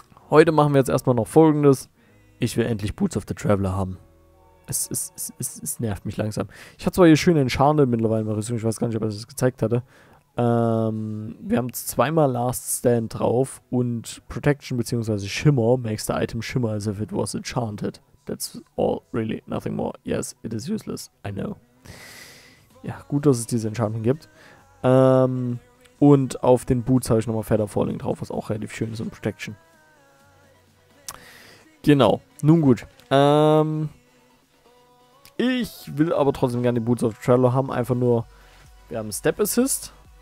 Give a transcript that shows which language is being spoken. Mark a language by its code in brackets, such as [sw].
[de] Heute machen wir jetzt erstmal noch Folgendes. Ich will endlich Boots of the Traveler haben. Es nervt mich langsam. Ich habe zwar hier schön den Scharnel mittlerweile in der Rüstung, ich weiß gar nicht, ob ich das gezeigt hatte. Wir haben 2-mal Last Stand drauf und Protection bzw. [en] Shimmer makes the item shimmer as if it was enchanted. That's all, really, nothing more. Yes, it is useless, I know. [de] Ja, gut, dass es diese Enchantment gibt. Und auf den Boots habe ich nochmal Feather Falling drauf, was auch relativ schön ist und Protection. Genau, nun gut. Ich will aber trotzdem gerne die Boots of Trello haben, einfach nur, wir haben Step Assist.